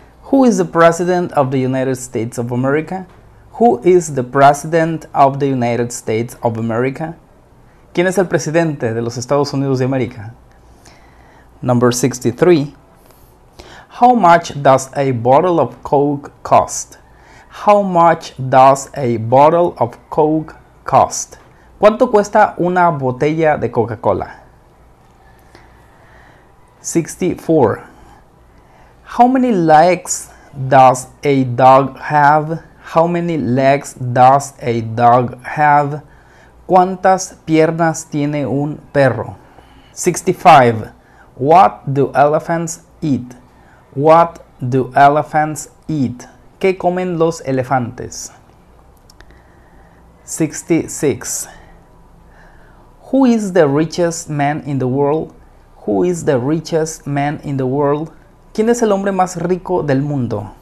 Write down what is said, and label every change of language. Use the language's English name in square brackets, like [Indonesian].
[English] Who is the President of the United States of America? Who is the President of the United States of America? [Spanish] ¿Quién es el presidente de los Estados Unidos de América? [English] Number 63. How much does a bottle of Coke cost? How much does a bottle of Coke cost? [Spanish] ¿Cuánto cuesta una botella de Coca-Cola? [English] 64. How many legs does a dog have? How many legs does a dog have? [Spanish] ¿Cuántas piernas tiene un perro? 65. [English] What do elephants eat? What do elephants eat? [Spanish] ¿Qué comen los elefantes? 66. [English] Who is the richest man in the world? Who is the richest man in the world? [Spanish] ¿Quién es el hombre más rico del mundo?